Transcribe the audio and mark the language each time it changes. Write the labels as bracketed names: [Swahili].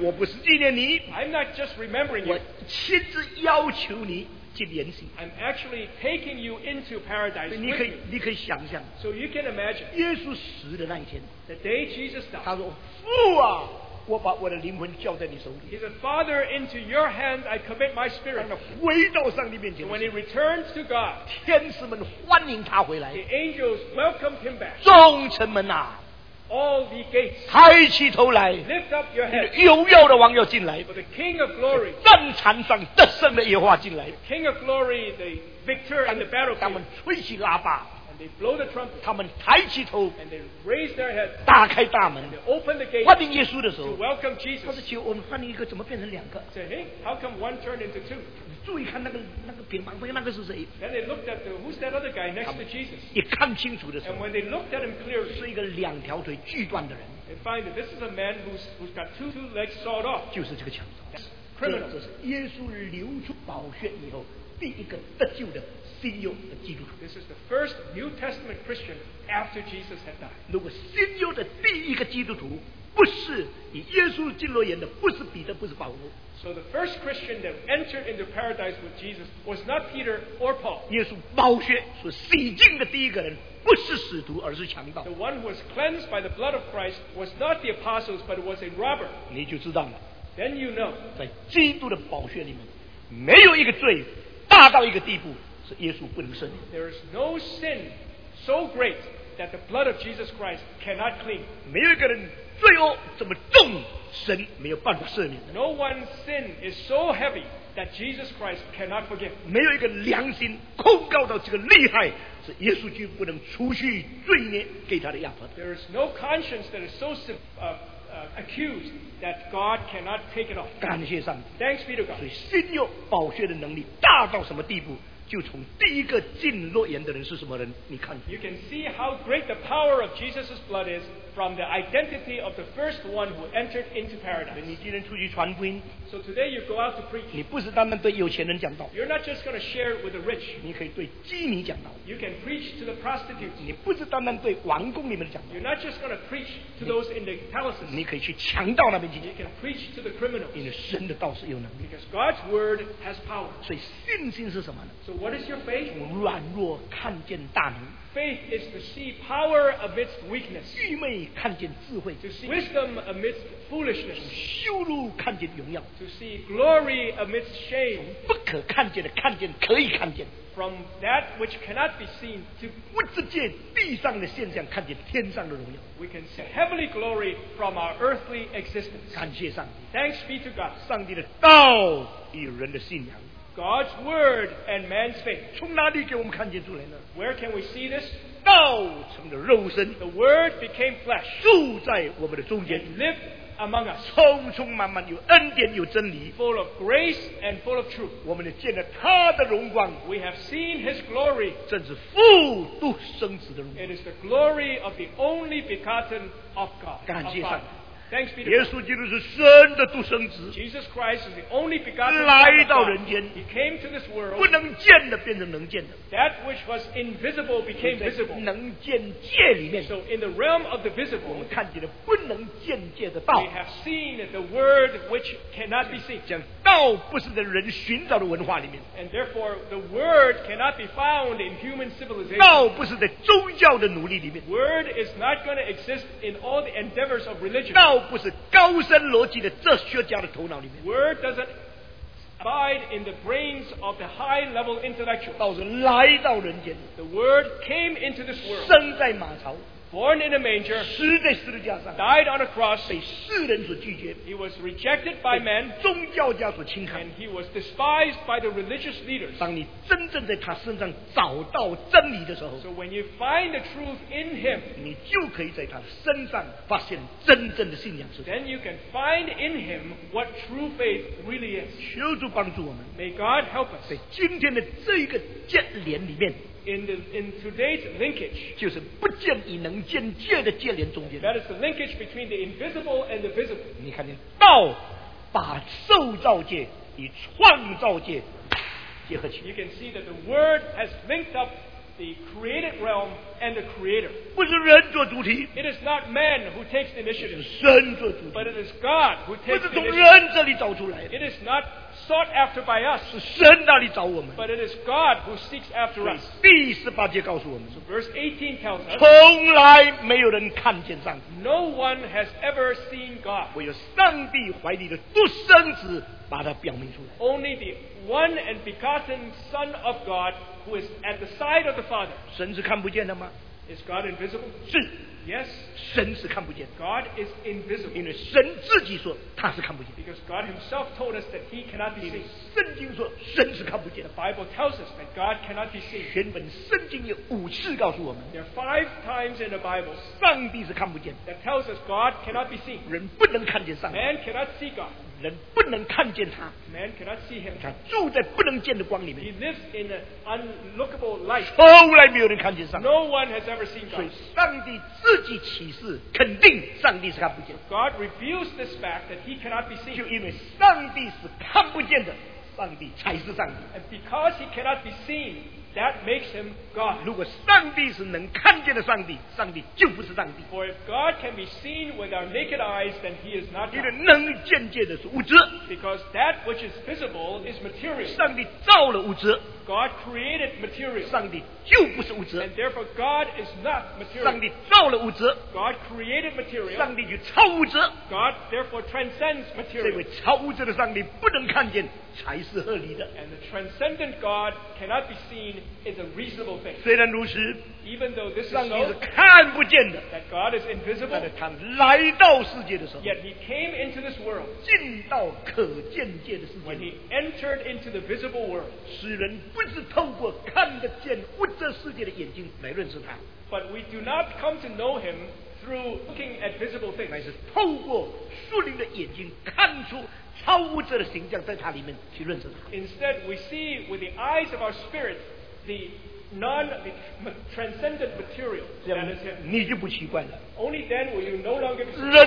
[Chinese] 我不是纪念你。 [English] I'm not just remembering you. [Chinese] 我亲自要求你。 [English] I'm actually taking you into paradise. [Chinese] 你可以想象。 [English] So you can imagine. [Chinese] 耶稣死的那一天。 [English] The day Jesus died. [Chinese] 他说：“父啊，我把我的灵魂交在你手里。” [English] He said, Father, into your hand I commit my spirit. [Chinese] 当他回到上帝面前。 [English] When he returns to God. [Chinese] 天使们欢迎他回来。 [English] The angels welcomed him back. [Chinese] 众臣们啊。 [English] All the gates. [Chinese] 抬起头来。 [English] Lift up your head. [Chinese] 荣耀的王要进来。 [English] For the King of Glory. [Chinese] 战场上得胜的耶和华进来。 [English] The King of Glory, the victor in the battlefield. [Chinese] 他们吹起喇叭。 [English] And they blow the trumpet. [Chinese] 他们抬起头。 [English] And they raise their head. [Chinese] 打开大门。 [English] And they open the gate. [Chinese] 欢迎耶稣的时候。 [English] To welcome Jesus. [Chinese] 他说：“请我们欢迎一个，怎么变成两个？” [English] Say, hey, how come one turned into two? [Chinese] 你注意看那个乒乓球那个是谁？ [English] Then they looked at the, who's that other guy next to Jesus? [Chinese] 一看清楚的时候。 [English] And when they looked at him clearly, [Chinese] 是一个两条腿锯断的人。 [English] They find that this is a man who's got two legs sawed off. [Chinese] 就是这个强盗。 [English] Criminal. [Chinese] 这是耶稣流出宝血以后第一个得救的。 [English] This is the first New Testament Christian after Jesus had died. [Chinese] 如果新约的第一个基督徒不是以耶稣进乐园的，不是彼得，不是保罗。 [English] So the first Christian that entered into paradise with Jesus was not Peter or Paul. [Chinese] 耶稣宝血所洗净的第一个人不是使徒，而是强盗。 [English] The one who was cleansed by the blood of Christ was not the apostles, but was a robber. [Chinese] 你就知道了。 [English] Then you know. [Chinese] 在基督的宝血里面，没有一个罪大到一个地步。 [English] There is no sin so great that the blood of Jesus Christ cannot clean. [Chinese] 没有一个人罪恶这么重，神没有办法赦免。 [English] No one's sin is so heavy that Jesus Christ cannot forgive. [Chinese] 没有一个良心控告到这个厉害，是耶稣就不能除去罪孽给他的压迫。 [English] There is no conscience that is so accused that God cannot take it off. [Chinese] 感谢上帝。 [English] Thanks be to God. [Chinese] 所以新约宝血的能力大到什么地步，就从第一个进乐园的人是什么人，你看。 [English] You can see how great the power of Jesus' blood is from the identity of the first one who entered into paradise. [Chinese] 你今天出去传福音。 [English] So today you go out to preach. [Chinese] 你不是单单对有钱人讲道。 [English] You're not just going to share with the rich. [Chinese] 你可以对妓女讲道。 [English] You can preach to the prostitutes. [Chinese] 你不是单单对王宫里面讲道。 [English] You're not just going to preach to those in the palaces. [Chinese] 你可以去强盗那边去。 [English] You can preach to the criminals. [Chinese] 因为神的道是有能力。 [English] Because God's word has power. [Chinese] 所以信心是什么呢？ [English] So what is your faith? [Chinese] 软弱看见大能。 [English] Faith is to see power amidst weakness. [Chinese] 愚昧看见智慧。 [English] To see wisdom amidst foolishness. [Chinese] 从羞辱看见荣耀。 [English] To see glory amidst shame. [Chinese] 从不可看见的看见可以看见。 [English] From that which cannot be seen to [Chinese] 不只见地上的现象，看见天上的荣耀。 [English] We can see heavenly glory from our earthly existence. [Chinese] 感谢上帝。 [English] Thanks be to God. [Chinese] 上帝的道与人的信仰。 [English] God's word and man's faith. [Chinese] 从哪里给我们看见出来呢？ [English] Where can we see this? [Chinese] 道成了肉身。 [English] The word became flesh. [Chinese] 住在我们的中间。 [English] Lived among us. [Chinese] 充充满满有恩典有真理。 [English] Full of grace and full of truth. [Chinese] 我们见了他的荣光。 [English] We have seen his glory. [Chinese] 正是父独生子的荣光。 [English] It is the glory of the only begotten of God. [Chinese] 感谢上帝。 [English] Thanks be to God. [Chinese] 耶稣基督是神的独生子。 [English] Jesus Christ is the only begotten [Chinese] 来到人间。 [English] He came to this world. [Chinese] 不能见的变成能见的。 [English] That which was invisible became visible. [Chinese] 能见界里面。 [English] So in the realm of the visible, [Chinese] 我们看见了不能见界的道。 [English] We have seen the word which cannot be seen. [Chinese] 讲道不是在人寻找的文化里面。 [English] And therefore, the word cannot be found in human civilization. [Chinese] 道不是在宗教的努力里面。 [English] Word is not going to exist in all the endeavors of religion. [Chinese] 道不是高深逻辑的哲学家的头脑里面。 [English] Word doesn't abide in the brains of the high-level intellectual. [Chinese] 道是来到人间。 [English] The word came into this world. [Chinese] 生在马槽。 [English] Born in a manger. [Chinese] 死在十字架上。 [English] Died on a cross. [Chinese] 被世人所拒绝。 [English] He was rejected by men. [Chinese] 被宗教家所轻看。 [English] And he was despised by the religious leaders. [Chinese] 当你真正在他身上找到真理的时候。 [English] So when you find the truth in him. [Chinese] 你就可以在他身上发现真正的信仰是。 [English] Then you can find in him what true faith really is. [Chinese] 求主帮助我们。 [English] May God help us. [Chinese] 在今天的这个接连里面。 [English] In today's linkage, [Chinese] 就是不见与能见界的界连中间。 [English] That is the linkage between the invisible and the visible. [Chinese] 你看见道把受造界与创造界结合起。 [English] You can see that the word has linked up the created realm and the creator. [Chinese] 不是人做主体。 [English] It is not man who takes the initiative. [Chinese] 是神做主体。 [English] But it is God who takes the initiative. [Chinese] 不是从人这里找出来的。 [English] It is not sought after by us, [Chinese] 是神那里找我们。 [English] But it is God who seeks after us. [Chinese] 第十八节告诉我们。 [English] So verse 18 tells us. [Chinese] 从来没有人看见上帝。 [English] No one has ever seen God. [Chinese] 唯有上帝怀里的独生子把它表明出来。 [English] Only the one and begotten Son of God who is at the side of the Father. [Chinese] 神是看不见的吗？ [English] Is God invisible? [Chinese] 是。 [English] Yes, [Chinese] 神是看不见。 [English] God is invisible. [Chinese] 因为神自己说他是看不见。 [English] Because God himself told us that he cannot be seen. [Chinese] 圣经说神是看不见。 [English] The Bible tells us that God cannot be seen. [Chinese] 全本圣经有五次告诉我们。 [English] There are five times in the Bible. [Chinese] 上帝是看不见。 [English] That tells us God cannot be seen. [Chinese] 人不能看见上帝。 [English] Man cannot see God. [Chinese] 人不能看见他。 [English] Man cannot see him. [Chinese] 他住在不能见的光里面。 [English] He lives in an unlookable light. [Chinese] 从来没有人看见上帝。 [English] No one has ever seen God. [Chinese] 所以上帝自己启示，肯定上帝是看不见。 [English] God reveals this fact that he cannot be seen. [Chinese] 就因为上帝是看不见的，上帝才是上帝。 [English] And because he cannot be seen, that makes him God. [Chinese] 如果上帝是能看见的上帝，上帝就不是上帝。 [English] For if God can be seen with our naked eyes, then he is not God. [Chinese] 因为能见界的是物质。 [English] Because that which is visible is material. [Chinese] 上帝造了物质。 [English] God created material. [Chinese] 上帝就不是物质。 [English] And therefore God is not material. [Chinese] 上帝造了物质。 [English] God created material. [Chinese] 上帝就超物质。 [English] God therefore transcends material. [Chinese] 这位超物质的上帝不能看见才是合理的。 [English] And the transcendent God cannot be seen is a reasonable thing. [Chinese] 虽然如此。 [English] Even though this is so, [Chinese] 上帝是看不见的。 [English] That God is invisible. [Chinese] 但是他来到世界的时候。 [English] Yet he came into this world. [Chinese] 进到可见界的世界。 [English] When he entered into the visible world. [Chinese] 使人不是透过看得见物质世界的眼睛来认识他。 [English] But we do not come to know him through looking at visible things. [Chinese] 乃是透过属灵的眼睛看出超物质的形象在他里面去认识他。 [English] Instead, we see with the eyes of our spirit the non-transcendent material that is him. [Chinese] 你就不奇怪了。 [English] Only then will you no longer be surprised.